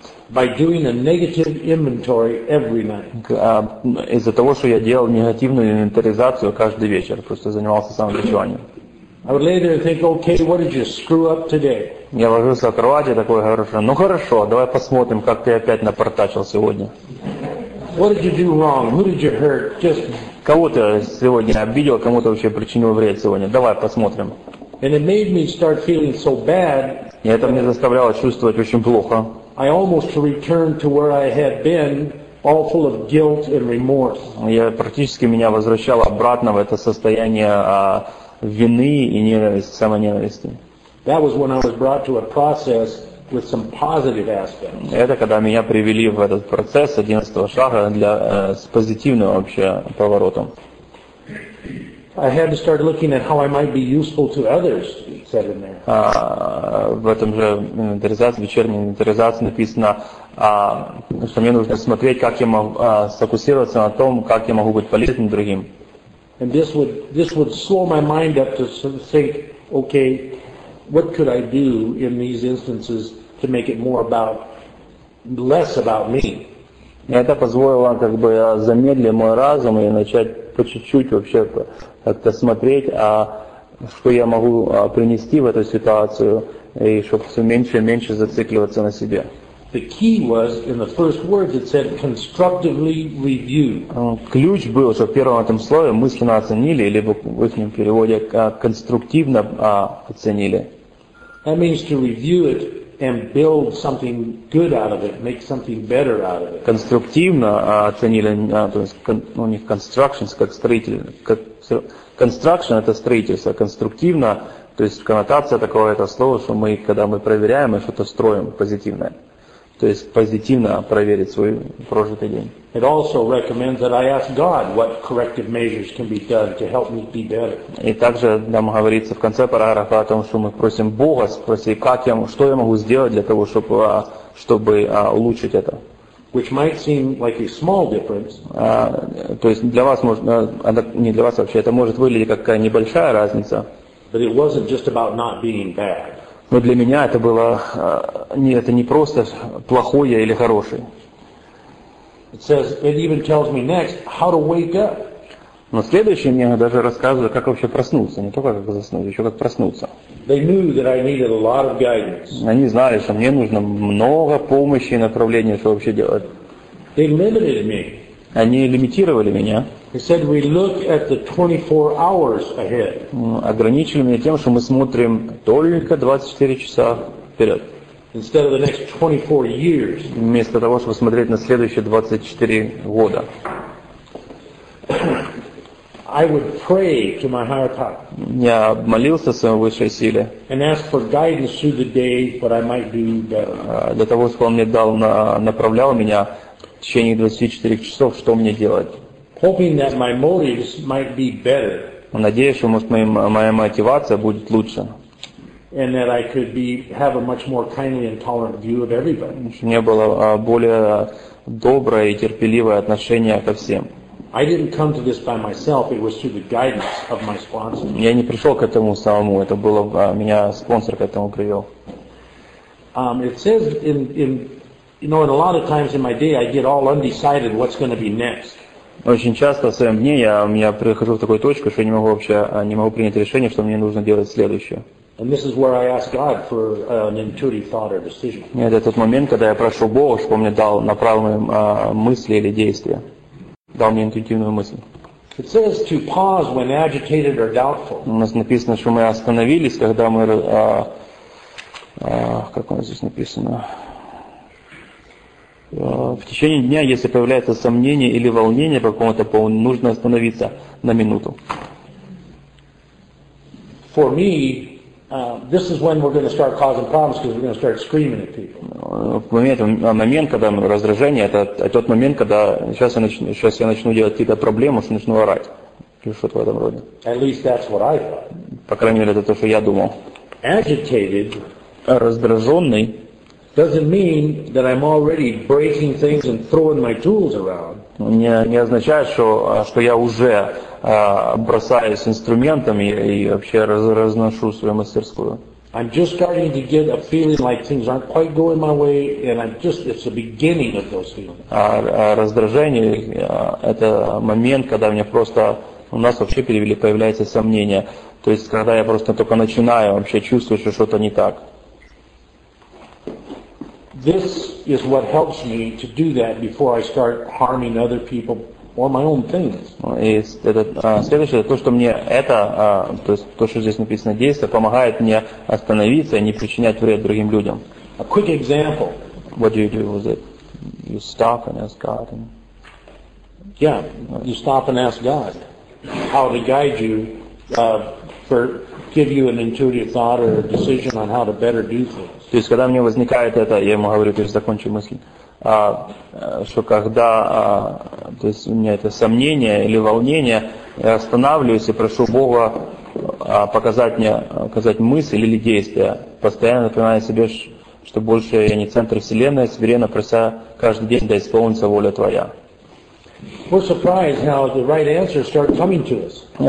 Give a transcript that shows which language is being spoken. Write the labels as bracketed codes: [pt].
[en] By doing a negative inventory every night. [ru] Из-за того, что я делал негативную инвентаризацию каждый вечер, просто занимался самобичеванием. [en] I would lay there and think, okay, what did you screw up today? [ru] Я ложился в кровати такой хорошо. Ну хорошо, давай посмотрим, как ты опять напортачил сегодня. [en] What did you do wrong? Who did you hurt? Just [ru] кого ты сегодня обидел, кому ты вообще причинил вред сегодня? Давай посмотрим. [en] And it made me start feeling so bad. [ru] И это меня заставляло чувствовать очень плохо. [en] I almost returned to where I had been, all full of guilt and remorse. [ru] Я практически меня возвращал обратно в это состояние вины и ненависти, самоненависти. [en] That was when I was brought to a process with some positive aspects. [ru] Это когда меня привели в этот процесс 11-го шага для с позитивным вообще поворотом. [en] I had to start looking at how I might be useful to others, said in there. [ru] В этом же инвентаризации, вечерней инвентаризации написано, что мне нужно смотреть, как я могу сфокусироваться на том, как я могу быть полезным другим. [en] And this would slow my mind up to think, okay, what could I do in these instances to make it more about, less about me? [ru] Это позволило как бы замедлить мой разум и начать по чуть-чуть вообще как-то смотреть, а что я могу принести в эту ситуацию, и чтобы все меньше и меньше зацикливаться на себе. [en] The key was in the first words. It said constructively review. [ru] Ключ был, что в первом этом слове мысленно оценили, или в их переводе конструктивно оценили. [en] That means to review it and build something good out of it, make something better out of it. [ru] Конструктивно оценили, то есть у них constructions как строительство. Construction это строительство. Конструктивно, то есть коннотация такого этого слова, что мы, когда мы проверяем, мы что-то строим позитивное. То есть позитивно проверить свой прожитый день. [en] It also recommends that I ask God what corrective measures can be done to help me be better. [ru] И также нам говорится в конце параграфа о том, что мы просим Бога спросить, что я могу сделать для того, чтобы улучшить это. [en] Which might seem like a small difference. [ru] То есть для вас не для вас вообще, это может выглядеть как какая небольшая разница. [en] But it wasn't just about not being bad. [ru] Но для меня это было это не просто плохое или хорошее. [en] It says, it even tells me next how to wake up. [ru] Но следующее мне даже рассказывает, как вообще проснуться, не только как заснуть, еще как проснуться. [en] They knew that I needed a lot of guidance. [ru] Они знали, что мне нужно много помощи и направления, что вообще делать. [en] They limited me. [ru] Они лимитировали меня. [en] They said we look at the 24 hours ahead. [ru] Ограничили меня тем, что мы смотрим только 24 часа вперед. [en] Instead of the next 24 years. [ru] Вместо того, чтобы смотреть на следующие 24 года. [en] I would pray to my higher power. [ru] Я молился своей высшей силе. [en] And ask for guidance through the day, what I might do better. [ru] Для того, чтобы он мне дал направлял меня в течение 24 часов, что мне делать. [en] Hoping that my motives might be better. [ru] надеюсь, что моя мотивация будет лучше. [en] And that I could be have a much more kindly and tolerant view of everybody. [ru] Мне было более доброе и терпеливое отношение ко всем. [en] I didn't come to this by myself. It was through the guidance of my sponsor. [ru] Я не пришел к этому самому. Это было меня спонсор к этому привел. [en] It says in a lot of times in my day I get all undecided what's going to be next. [ru] Очень часто в своем дне я прихожу в такую точку, что я не могу принять решение, что мне нужно делать следующее. [en] And this is where I ask God for an intuitive thought or decision. [ru] Нет, это тот момент, когда я прошу Бога, чтобы мне дал направленные мысли или действия. Дал мне интуитивную мысль. [en] It says to pause when agitated or doubtful. [ru] У нас написано, что мы остановились, когда мы... как у нас здесь написано? В течение дня, если появляется сомнение или волнение по какому-то поводу, нужно остановиться на минуту. [en] For me, this is when we're going to start causing problems because we're going to start screaming at people. [ru] Момент, когда раздражение, это тот момент, когда сейчас я начну делать какие-то проблемы, что начну орать или что-то в этом роде. [en] At least that's what I thought. [ru] По крайней мере, это то, что я думал. [en] Agitated. [ru] Раздраженный. [en] Doesn't mean that I'm already breaking things and throwing my tools around. [ru] Не означает, что я уже бросаюсь инструментами и вообще разношу свою мастерскую. [en] I'm just starting to get a feeling like things aren't quite going my way, and it's the beginning of those feelings. [ru] Раздражение – это момент, когда мне просто у нас вообще перевели появляется сомнение. То есть, когда я просто только начинаю вообще чувствовать, что что-то не так. [en] This is what helps me to do that before I start harming other people or my own things. [ru] И следующее то, что мне то есть то, что здесь написано, действие помогает мне остановиться и не причинять вред другим людям. [en] A quick example. What do you do with it? You stop and ask God. Yeah, you stop and ask God how to guide you for give you an intuitive thought or a decision on how to better do things. [ru] То есть, когда у меня возникает это, я ему говорю, то есть закончу мысль, что когда то есть у меня это сомнение или волнение, я останавливаюсь и прошу Бога показать мне, указать мысль или действие, постоянно напоминая себе, что больше я не центр Вселенной, а смиренно прося каждый день, да исполнится воля Твоя. [en] We're surprised how the right answers start coming to us.